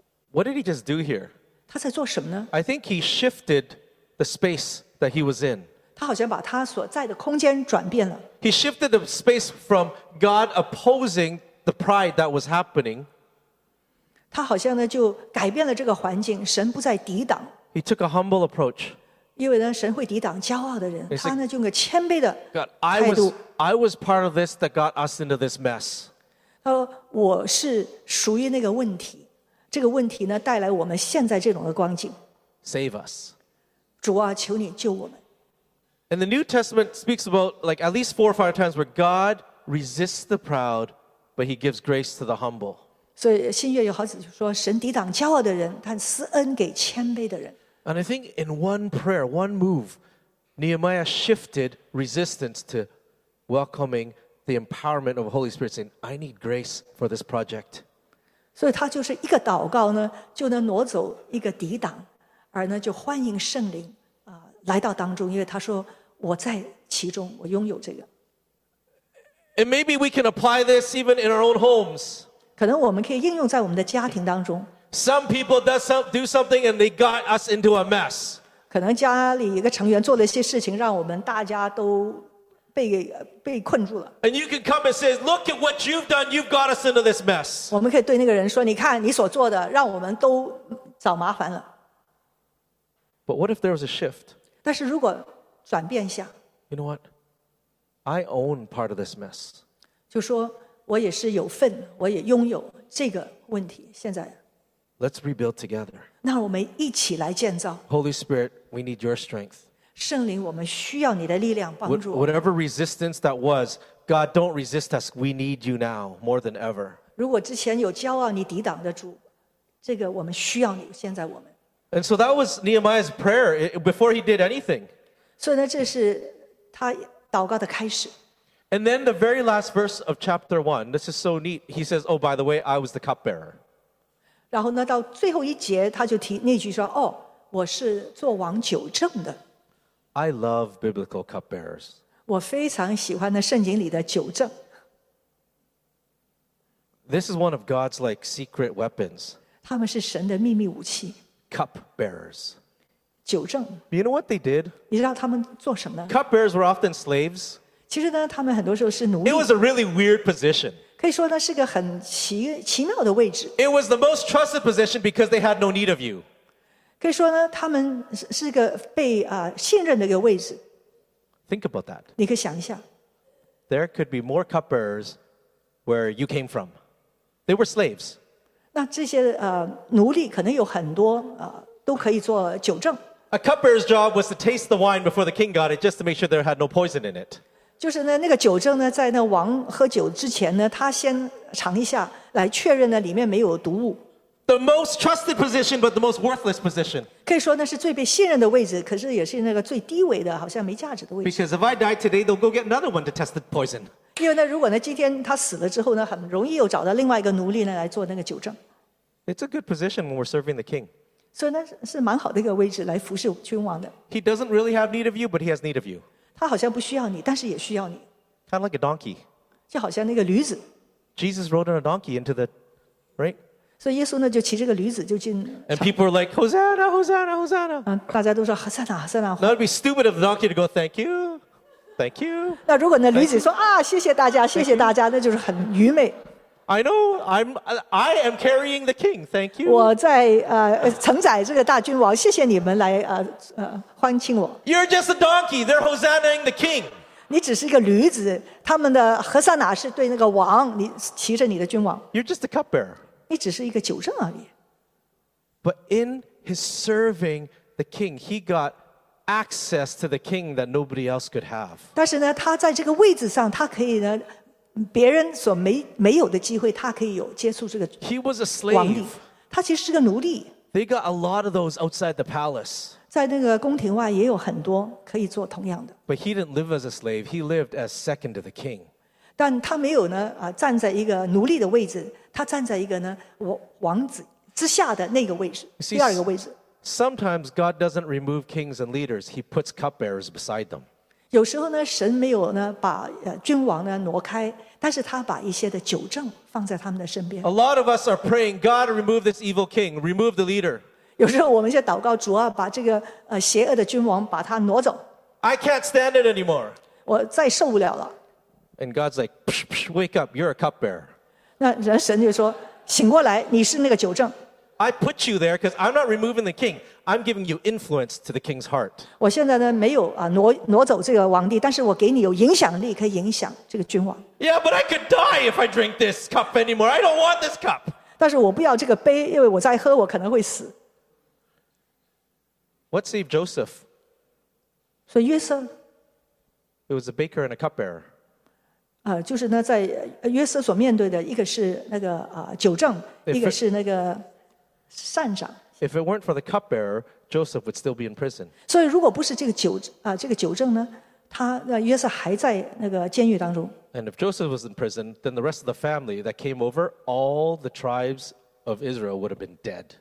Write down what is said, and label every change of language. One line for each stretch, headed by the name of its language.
English: What did he just do here?
Chinese: 他在做什么呢？
English: I think he shifted the space that he was in.
Chinese: 他好像把他所在的空间转变了。
English: He shifted the space from God opposing the pride that was happening.
Chinese: 他好像呢，就改变了这个环境，神不再抵挡。
English: He took a humble approach.
Chinese: 因为呢，神会抵挡骄傲的人。他呢，用个谦卑的态度。
English: God, I was part of this that got us into this mess.
Chinese: 他说，我是属于那个问题。这个问题呢，带来我们现在这种的光景。
English: Save us.
Chinese: 主啊，求你救我们。
English: And the New Testament speaks about like at least 4 or 5 times where God resists the proud, but He gives grace to the humble.
Chinese: 所以新约有好几句说，神抵挡骄傲的人，但施恩给谦卑的人。
English: And I think in one prayer, one move, Nehemiah shifted resistance to welcoming the empowerment of the Holy Spirit, saying, "I need grace for this project."
Chinese: 所以他就是一个祷告呢，就能挪走一个抵挡，而呢就欢迎圣灵啊、来到当中，因为他说我在其中，我拥有这个。
English: And maybe we can apply this even in our own homes.
Chinese: 可能我们可以应用在我们的家庭当中。
English: Some people do something and they got us into a mess.
Chinese: 可能家里一个成员做了一些事情，让我们大家都 被困住了。
English: And you can come and say, "Look at what you've done. You've got us into this mess."
Chinese: 我们可以对那个人说，你看你所做的，让我们都找麻烦了。 But what if there was a shift? 但是如果转变下
English: ，You know what? I own part of this mess.
Chinese: 就说。我也是有份，我也拥有这个问题。现在
English: ，Let's rebuild together.
Chinese: 那我们一起来建造。
English: Holy Spirit, we need your strength.
Chinese: 圣灵，我们需要你的力量帮助。
English: Whatever resistance that was, God, don't resist us. We need you now more than ever.
Chinese: 如果之前有骄傲，你抵挡得住，这个我们需要你。现在我们。
English: And so that was Nehemiah's prayer before he did anything.
Chinese: 所以呢，这是他祷告的开始。
English: And then the very last verse of chapter 1, this is so neat. He says, oh, by the way, I was the cupbearer.
Chinese: 然后呢到最后一节他就提那句说哦我是做王酒政的。
English: I love biblical cupbearers.
Chinese: 我非常喜欢那圣经里的酒政。
English: This is one of God's like secret weapons.
Chinese: 他们是神的秘密武器。
English: Cupbearers.
Chinese: 酒政。
English: You know what they did?
Chinese: 你知道他们做什么呢
English: ?Cupbearers were often slaves.
Chinese: 其实呢，他们很多时候是奴隶。
English: It was a really weird position.
Chinese: 可以说呢，是个很奇妙的位置。
English: It was the most trusted position because they had no need of you.
Chinese: 可以说呢，他们是个被信任的一个位置。
English: Think about that.
Chinese: 你可以想一下。
English: There could be more cupbearers where you came from. They were slaves.
Chinese: 那这些奴隶可能有很多都可以做酒政。
English: A cupbearer's job was to taste the wine before the king got it, just to make sure there had no poison in it.
Chinese: 就是呢那个酒政呢在那王喝酒之前呢他先尝一下来确认呢里面没有毒物。
English: The most trusted position, but the most worthless position.
Chinese: 可以说那是最被信任的位置可是也是那个最低微的好像没价值的位置。
English: Because if I die today, they'll go get another one to test the poison.
Chinese: 因为呢如果呢今天他死了之后呢很容易又找到另外一个奴隶呢来做那个酒政。
English: It's a good position when we're serving the king.
Chinese: 所以呢是蛮好的一个位置来服侍君王的。
English: He doesn't really have need of you, but he has need of you.
Chinese: 他好像不需要你，但是也需要你。
English: Kind of like a donkey.
Chinese: 就好像那个驴子。
English: Jesus rode on a donkey into the, right?
Chinese: 所以耶稣呢就骑这个驴子就进。
English: And people are like, Hosanna, Hosanna, Hosanna.
Chinese: 大家都说 Hosanna, Hosanna.
English: That would be stupid of the donkey to go, thank you, thank you.
Chinese: 那如果呢驴子说啊谢谢大家谢谢大家，那就是很愚昧。
English: I know, I am carrying the king, thank you.
Chinese: 我在承载这个大君王，谢谢你们来欢庆我。
English: You're just a donkey, they're Hosannaing the king.
Chinese: 你只是一个驴子，他们的 Hosanna 是对那个王，你骑着你的君王。
English: You're just a cupbearer.
Chinese: 你只是一个酒圣而已。
English: But in his serving the king, he got access to the king that nobody else could have.
Chinese: 但是呢，他在这个位置上，他可以呢，别人所没有的机会，他可以有接触这个王。
English: He was a slave.
Chinese: 他其实是个奴隶。
English: They got a lot of those outside the palace.
Chinese: 在那个宫廷外也有很多可以做同样的。
English: But he didn't live as a slave. He lived as second to the king.
Chinese: 但他没有呢站在一个奴隶的位置，他站在一个呢王子之下的那个位置，第二个位置。
English: Sometimes God doesn't remove kings and leaders, he puts cupbearers beside them.
Chinese: 有时候呢神没有呢把君王呢挪开，但是他把一些的酒政放在他们的身边。
English: A lot of us are praying, God remove this evil king, remove the leader.
Chinese: 有时候我们就祷告主啊把这个邪恶的君王把他挪走。
English: I can't stand it anymore.
Chinese: 我再受不了了。
English: And God's like, psh, psh, wake up, you're a cupbearer.
Chinese: 那人神就说醒过来，你是那个酒政。
English: I put you there because I'm not removing the king. I'm giving you influence to the king's heart.
Chinese: 我现在呢没有挪走这个王帝，但是我给你有影响力，可以影响这个君王。
English: Yeah, but I could die if I drink this cup anymore. I don't want this cup.
Chinese: 但是我不要这个杯，因为我再喝我可能会死。
English: What saved Joseph?
Chinese: 所以约瑟。
English: It was a baker and a cupbearer.
Chinese: 就是呢在约瑟所面对的一个是那个酒政，一个是那个膳长。
English: If it weren't for the cupbearer, Joseph would still be in prison.
Chinese: 所以如果不是这个酒政呢，他约瑟还在那个监狱当中。
English: And if Joseph was in prison, then the rest of the family that came over, all the tribes of Israel would have been dead.